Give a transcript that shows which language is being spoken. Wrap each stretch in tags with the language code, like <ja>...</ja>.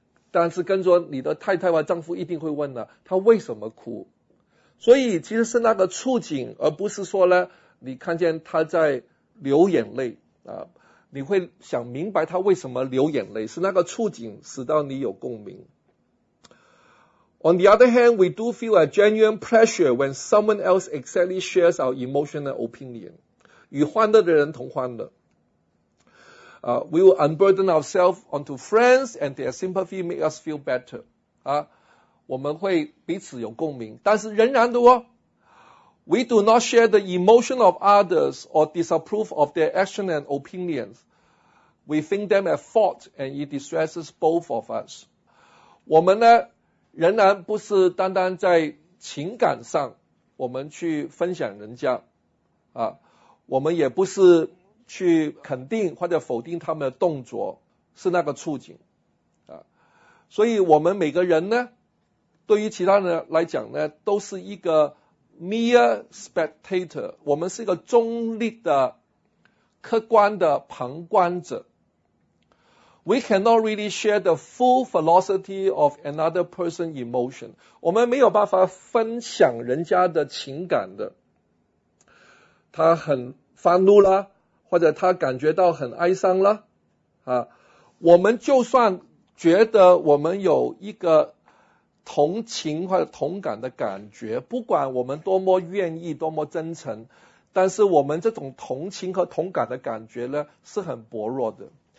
<zh>但是跟着你的太太或丈夫一定会问啊，他为什么哭。所以其实是那个处境，而不是说呢你看见他在流眼泪啊，你会想明白他为什么流眼泪，是那个处境使到你有共鸣。</zh> <en>On the other hand, we do feel a genuine pressure when someone else exactly shares our emotional opinion.</en> <zh>与欢乐的人同欢乐。</zh> <en>We will unburden ourselves onto friends and their sympathy make us feel better.</en> <zh>啊，我们会彼此有共鸣，但是仍然的哦。</zh> <en>We do not share the emotion of others or disapprove of their action and opinions. We think them at fault and it distresses both of us.</en> <zh>我们呢仍然不是单单在情感上我们去分享人家啊，我们也不是去肯定或者否定他们的动作，是那个处境啊。所以我们每个人呢对于其他人来讲呢都是一个</zh> <en>mere spectator，</en> <zh>我们是一个中立的客观的旁观者。</zh> <en>We cannot really share the full velocity of another person's emotion.</en> <zh>我们没有办法分享人家的情感的。他很发怒了，或者他感觉到很哀伤了，啊，我们就算觉得我们有一个同情或者同感的感觉，不管我们多么愿意，多么真诚，但是我们这种同情和同感的感觉呢，是很薄弱的。</zh>